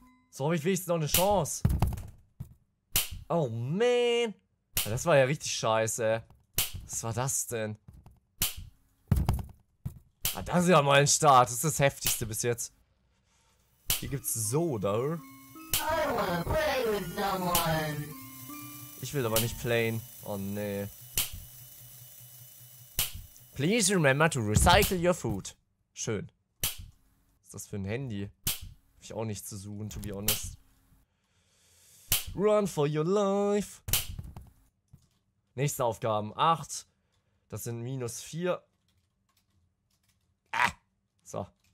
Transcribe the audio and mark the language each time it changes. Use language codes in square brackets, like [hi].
[de] So habe ich wenigstens noch eine Chance. Oh man. Das war ja richtig scheiße. Was war das denn? Ah, das ist ja mal ein Start. Das ist das Heftigste bis jetzt. Hier gibt's Soda. [en] I wanna play with someone. [de] Ich will aber nicht playen. Oh nee. [en] Please remember to recycle your food. [de] Schön. Was ist das für ein Handy? Hab ich auch nicht zu suchen, [en] to be honest. Run for your life. [de] Nächste Aufgaben. [en] 8. [de] Das sind minus 4. Ah. So.